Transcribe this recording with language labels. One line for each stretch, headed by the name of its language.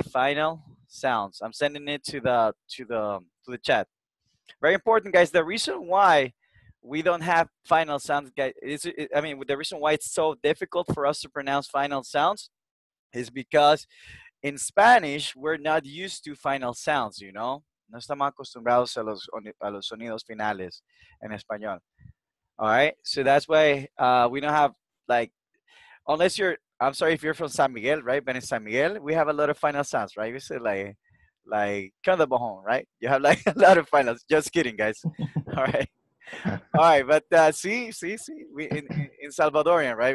English: Final sounds. I'm sending it to the chat. Very important, guys. The reason why we don't have final sounds, guys, the reason why it's so difficult for us to pronounce final sounds is because in Spanish, we're not used to final sounds, you know?
Spanish: No estamos acostumbrados a los sonidos finales en español.
English: All right, so that's why we don't have, like, unless you're, I'm sorry if you're from San Miguel, right? But in San Miguel, we have a lot of final sounds, right? You say like, come to Bajon, right? You have like a lot of final, just kidding, guys. All right, but see, we in Salvadorian, right?